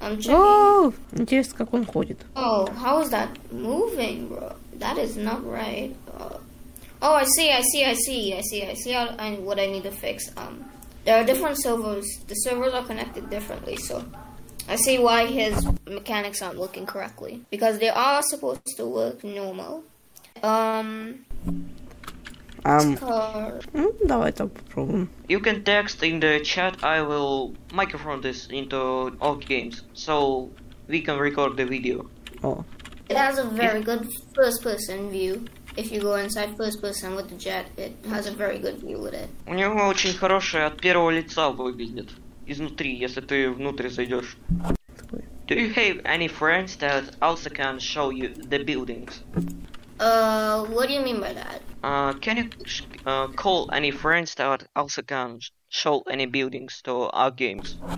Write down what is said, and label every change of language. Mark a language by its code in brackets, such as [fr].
[ru] Oh, интересно, как он ходит. [en] Oh, how is that moving, bro? That is not right. I see how, and what I need to fix. There are different servers. The servers are connected differently, so I see why his mechanics aren't working correctly. Because they are supposed to work normal. [ru] Давай так попробуем. [en] You can text in the chat, I will microphone this into all games, so we can record the video. Oh. It has a very good first-person view. If you go inside first-person with the jet, it has a very good view with it. [ru] У него очень хорошее от первого лица выглядит. Изнутри, если ты внутрь зайдешь. [en] Do you have any friends that also can show you the buildings? What do you mean by that? Can you call any friends that also can show any buildings to our games?